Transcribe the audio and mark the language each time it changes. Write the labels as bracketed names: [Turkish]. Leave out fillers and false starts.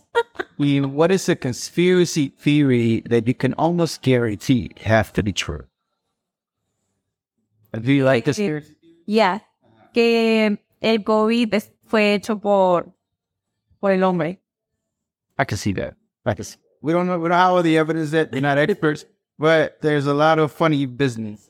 [English] I mean, what is a conspiracy theory that you can almost guarantee have to be true? Do you like this? Yeah. [Spanish] Que el COVID fue hecho por el hombre. [English] I can see that. I can see. We don't have all the evidence that they're not experts. But there's a lot of funny business.